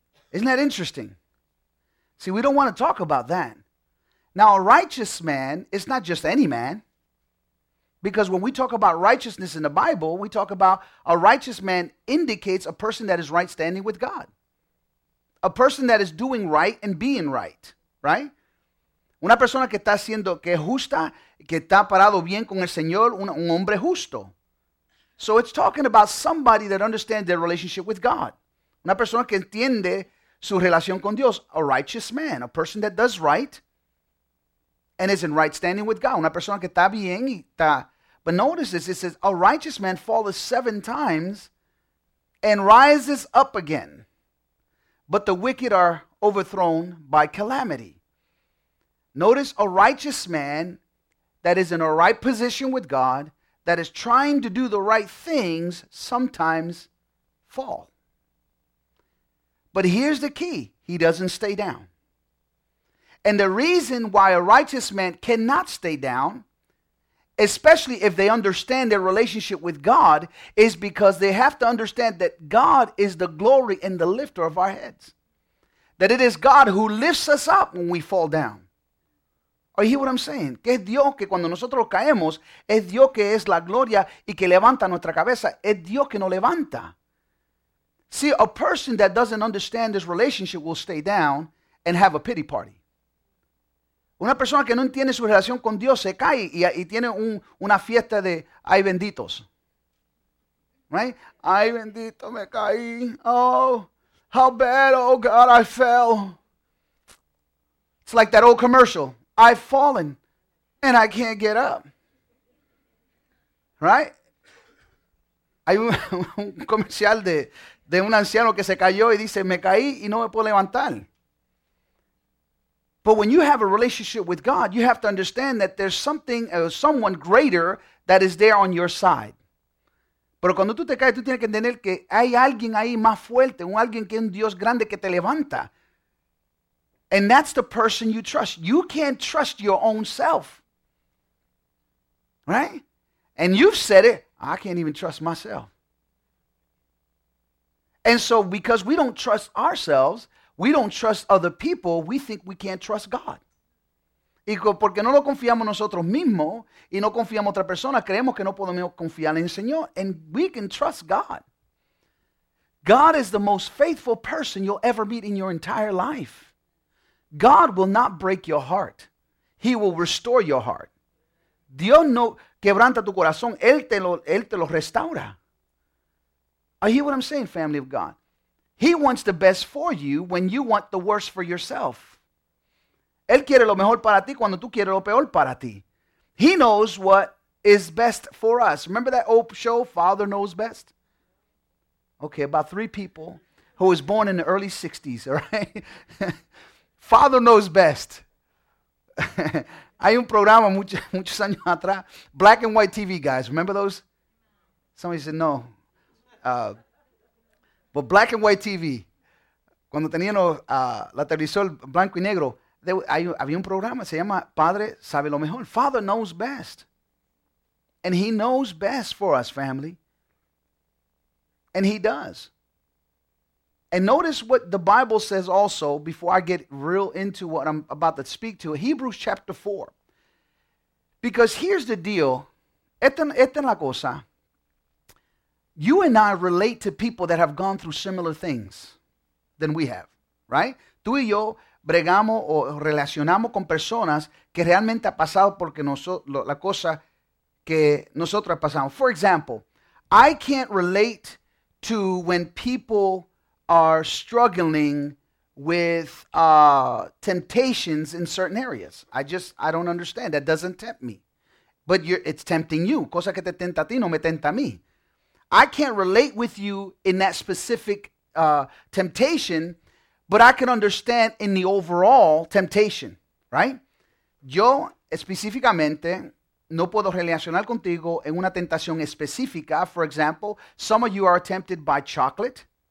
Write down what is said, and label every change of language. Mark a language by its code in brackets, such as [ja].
[en] Isn't that interesting? See, we don't want to talk about that. Now, a righteous man is not just any man. Because when we talk about righteousness in the Bible, we talk about a righteous man indicates a person that is right standing with God. A person that is doing right and being right, right? [es] Una persona que está haciendo que justa, que está parado bien con el Señor, un hombre justo. [en] So it's talking about somebody that understands their relationship with God. [es] Una persona que entiende su relación con Dios. [en] A righteous man. A person that does right and is in right standing with God. [es] Una persona que está bien y está. [en] But notice this. It says, a righteous man falleth seven times and rises up again. But the wicked are overthrown by calamity. Notice a righteous man that is in a right position with God, that is trying to do the right things, sometimes fall. But here's the key. He doesn't stay down. And the reason why a righteous man cannot stay down, especially if they understand their relationship with God, is because they have to understand that God is the glory and the lifter of our heads. That it is God who lifts us up when we fall down. Are you hearing what I'm saying? [es] Que es Dios que cuando nosotros caemos, es Dios que es la gloria y que levanta nuestra cabeza. Es Dios que nos levanta. [en] See, a person that doesn't understand this relationship will stay down and have a pity party. [es] Una persona que no entiende su relación con Dios se cae y tiene una fiesta de ay benditos. [en] Right? [es] Ay bendito, me caí. [en] Oh, how bad, oh God, I fell. It's like that old commercial. I've fallen and I can't get up. Right? [es] Hay un comercial de un anciano que se cayó y dice, me caí y no me puedo levantar. [en] But when you have a relationship with God, you have to understand that there's something, someone greater that is there on your side. [es] Pero cuando tú te caes, tú tienes que entender que hay alguien ahí más fuerte, alguien que es un Dios grande que te levanta. [en] And that's the person you trust. You can't trust your own self. Right? And you've said it, I can't even trust myself. And so because we don't trust ourselves, we don't trust other people, we think we can't trust God. [es] Y porque no lo confiamos nosotros mismos y no confiamos otra persona, creemos que no podemos confiar en el Señor. [en] And we can trust God. God is the most faithful person you'll ever meet in your entire life. God will not break your heart. He will restore your heart. [es] Dios no quebranta tu corazón, Él te lo restaura. [en] Are you what I'm saying, family of God? He wants the best for you when you want the worst for yourself. [es] Él quiere lo mejor para ti cuando tú quieres lo peor para ti. [en] He knows what is best for us. Remember that old show, Father Knows Best? Okay, about three people who was born in the early 60s, all right? Father Knows Best. [es] Hay un programa muchos años atrás, [en] Black and White TV, guys. Remember those? Somebody said no. But Black and White TV, [es] cuando tenían la televisor blanco y negro, había un programa, se llama Padre Sabe Lo Mejor. Father Knows Best. [en] And He knows best for us, family. And He does. And notice what the Bible says also, before I get real into what I'm about to speak to, Hebrews chapter 4. Because here's the deal. [es] Esta es la cosa. [en] You and I relate to people that have gone through similar things than we have, right? [es] Tú y yo bregamos o relacionamos con personas que realmente ha pasado porque la cosa que nosotros pasamos. [en] For example, I can't relate to when people are struggling with temptations in certain areas. I don't understand. That doesn't tempt me. But it's tempting you. [es] Cosa que te tenta a ti no me tenta a mí. [en] I can't relate with you in that specific temptation, but I can understand in the overall temptation, right? [es] Yo específicamente no puedo relacionar contigo en una tentación específica. [en] For example, some of you are tempted by chocolate.